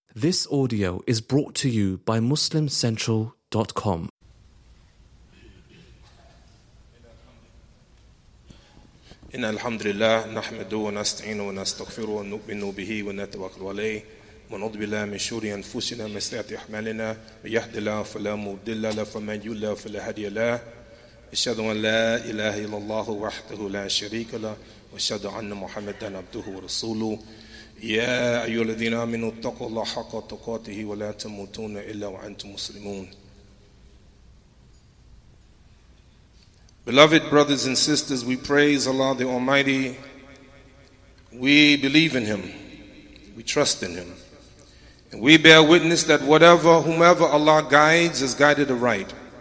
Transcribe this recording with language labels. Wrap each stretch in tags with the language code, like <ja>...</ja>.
<en>This audio is brought to you by MuslimCentral.com.</en> <ar>إن الحمد لله نحمده ونستعينه ونستغفره ونؤمن به ونتوكل عليه ونعوذ بالله من شرور أنفسنا ومن سيئات أعمالنا من يهده الله فلا مضل له ومن يضلل فلا هادي له أشهد أن لا إله إلا الله وحده لا شريك له وأشهد أن محمدا عبده ورسوله يا أيها الذين آمنوا اتقوا الله حق تقاته ولا تموتن إلا وأنتم مسلمون.</ar> <en>Beloved brothers and sisters, we praise Allah the Almighty. We believe in Him. We trust in Him. And we bear witness that whomever Allah guides is guided aright.</en>